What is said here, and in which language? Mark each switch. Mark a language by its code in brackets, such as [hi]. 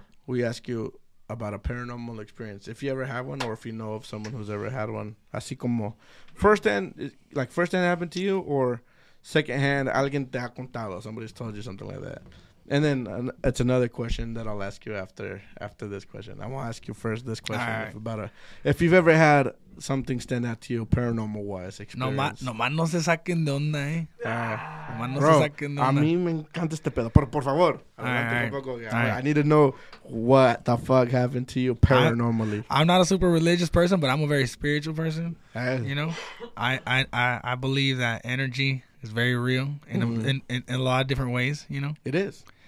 [en] We ask you about a paranormal experience, if you ever have one, or if you know of someone who's ever had one, [es] así como [en] first hand happened to you, or second hand, [es] alguien te ha contado, [en] somebody's told you something like that. And then it's another question that I'll ask you after this question. I want to ask you first this question. All right. if you've ever had something stand out to you paranormal wise experience. [es] No más no se saquen de onda, eh. Bro, se saquen de onda. A mí me encanta este pedo. Por favor. [en] I need to know what the fuck happened to you paranormally. I'm not a super religious person, but I'm a very spiritual person. You know, I believe that energy is very real in a lot of different ways, you know. It is.